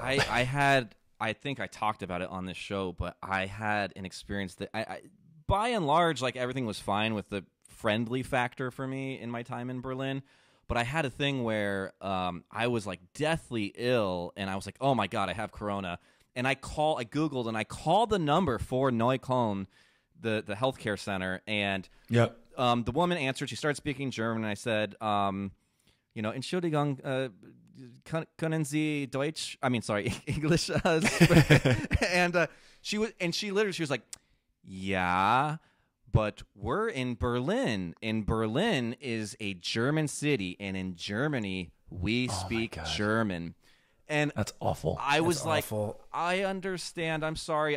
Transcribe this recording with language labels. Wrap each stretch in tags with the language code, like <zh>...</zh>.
<en>I think I talked about it on this show, but I had an experience that I by and large, like everything was fine with the friendly factor for me in my time in Berlin. But I had a thing where I was like deathly ill and I was like, oh my God, I have Corona. And I Googled the number for Neukölln, the healthcare center. And yep. The woman answered. She started speaking German. And I said, "You know,</en> <de>Entschuldigung, können Sie Deutsch?</de> <en>I mean, sorry, English." and she literally was like, "Yeah, but we're in Berlin. In Berlin is a German city, and in Germany we speak German." And that's awful. I was like, "I understand. I'm sorry.</en>